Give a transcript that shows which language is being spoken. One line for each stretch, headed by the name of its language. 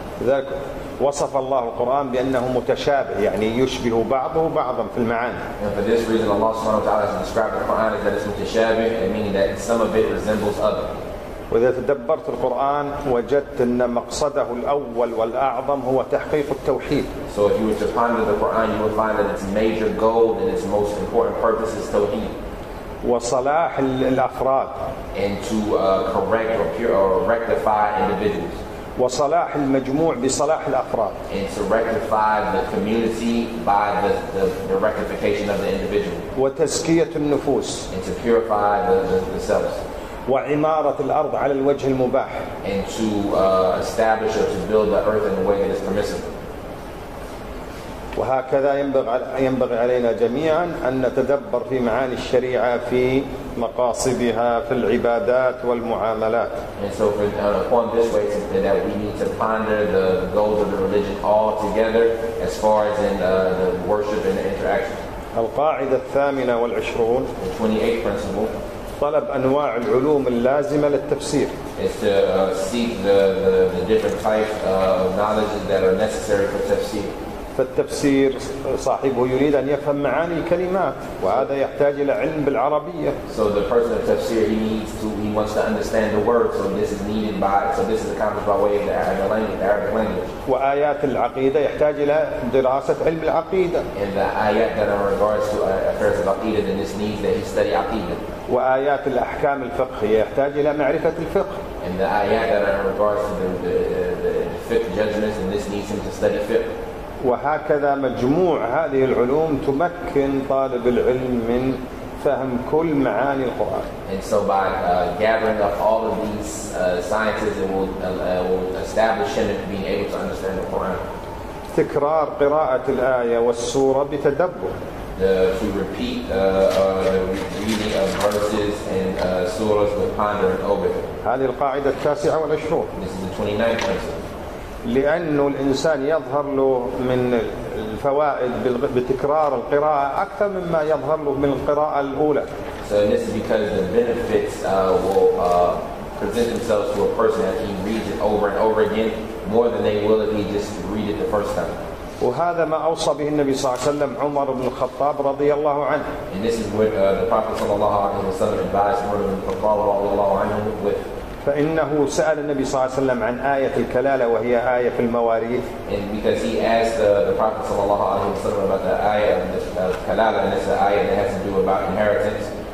Arabic: لذلك وصف الله القرآن بأنه متشابه يعني يشبه بعضه بعضا في المعاني.
English: And for this reason Allah subhanahu wa ta'ala has described the Quran as that it's متشابه meaning that some of it resembles other.
Arabic: وإذا تدبرت القرآن وجدت أن مقصده الأول والأعظم هو تحقيق التوحيد.
English: So if you were to ponder the Quran, you would find that its major goal and its most important purpose is tawheed.
Arabic: وصلاح الأفراد.
English: And to correct or pure or rectify individuals.
Arabic: وصلاح المجموع بصلاح الأفراد.
English: And to rectify the community by the rectification of the individual.
Arabic: وتزكية النفوس.
English: And to purify the selves.
Arabic: وعمارة الأرض على الوجه المباح.
English: And to establish or to build the earth in the way that is permissible.
Arabic: وهكذا ينبغي علينا جميعا أن نتدبر في معاني الشريعة في مقاصدها في العبادات والمعاملات.
English: And so upon this way that we need to ponder the goals of the religion all together as far as in the worship and the interaction.
Arabic: القاعدة 28.
English: The 28th principle.
Arabic: طلب أنواع العلوم اللازمة للتفسير.
English: It's to seek the different types of knowledge that are necessary for tafsir.
Arabic: فالتفسير صاحبه يريد أن يفهم معاني الكلمات وهذا يحتاج إلى علم بالعربية.
English: So the person of tafsir he wants to understand the word, so this is needed by, so this is accomplished by way of the Arabic language.
Arabic: وآيات العقيدة يحتاج إلى دراسة علم العقيدة.
English: And the ayat that are in regards to affairs of aqidah, then this needs that he study aqidah.
Arabic: وآيات الأحكام الفقهية يحتاج إلى معرفة الفقه.
English: And the ayat that are in regards to the fiqh judgments, and this needs him to study fiqh.
Arabic: وهكذا مجموع هذه العلوم تمكن طالب العلم من فهم كل معاني القرآن.
English: And so by gathering up all of these sciences, it will establish him in being able to understand the Quran.
Arabic: تكرار قراءة الآية والسورة بتدبر.
English: To repeat reading of verses and surahs with pondering over them.
Arabic: هذه القاعدة 29.
English: This is the 29th principle.
Arabic: لأنه الإنسان يظهر له من الفوائد بتكرار القراءة أكثر مما يظهر له من القراءة الأولى.
English: So this is because the benefits will present themselves to a person as he reads it over and over again more than they will if he just read it the first time.
Arabic: وهذا ما أوصى به النبي صلى الله عليه وسلم عمر بن الخطاب رضي الله عنه.
English: And this is what the Prophet
Arabic: صلى الله عليه وسلم
English: advised Umar ibn al-Khattab
Arabic: رضي الله عنه
English: with.
Arabic: فإنه سأل النبي صلى الله عليه وسلم عن آية الكلالة وهي آية في المواريث.
English: And because he asked the Prophet
Arabic: صلى الله عليه وسلم
English: about the ayah of الكلالة, and it's the ayah that has to do about inheritance.